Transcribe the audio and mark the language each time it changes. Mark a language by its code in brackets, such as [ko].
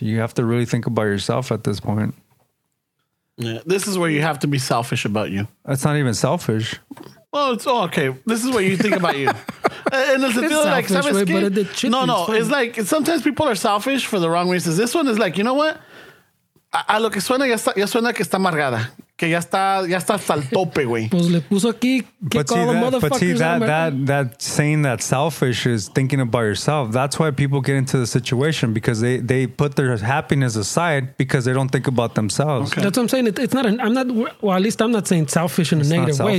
[en] You have to really think about yourself at this point. Yeah, this is where you have to be selfish about you. That's not even selfish. Well, it's all okay. This is what you think about you. And does it feel selfish, like... Selfish, way, but it did. No, it's like sometimes people are selfish for the wrong reasons. This one is like, you know what? [es] A lo que suena, ya suena que está amargada. Que ya está hasta el tope, güey. Pues le puso aquí... [en] But see, that saying that selfish is thinking about yourself. That's why people get into the situation, because they put their happiness aside because they don't think about themselves. Okay. That's what I'm saying. I'm not saying selfish in a negative way.